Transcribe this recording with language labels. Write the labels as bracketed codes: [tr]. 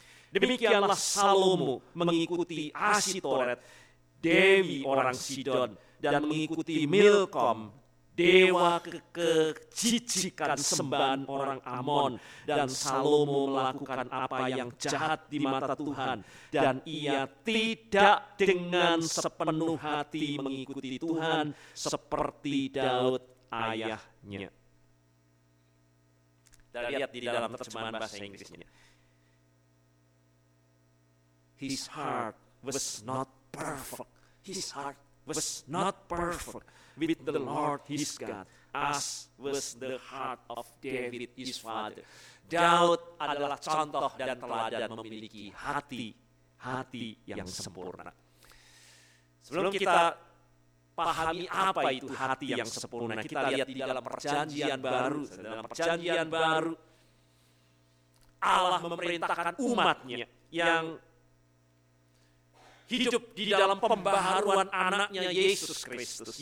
[id] Demikianlah Salomo mengikuti Asitoret, dewi orang Sidon, dan mengikuti Milkom, dewa kejijikan sembahan orang Amon. Dan Salomo melakukan apa yang jahat di mata Tuhan, dan ia tidak dengan sepenuh hati mengikuti Tuhan seperti Daud ayahnya. Dan lihat di dalam terjemahan bahasa Inggrisnya, [en] his heart was not perfect, his heart was not perfect with the Lord his God, as was the heart of David his father. [id] Daud adalah contoh dan teladan memiliki hati yang sempurna. Sebelum kita pahami apa itu hati yang sempurna, kita lihat di dalam perjanjian baru. Dalam perjanjian baru, Allah memerintahkan umatnya yang hidup di dalam pembaharuan anaknya Yesus Kristus.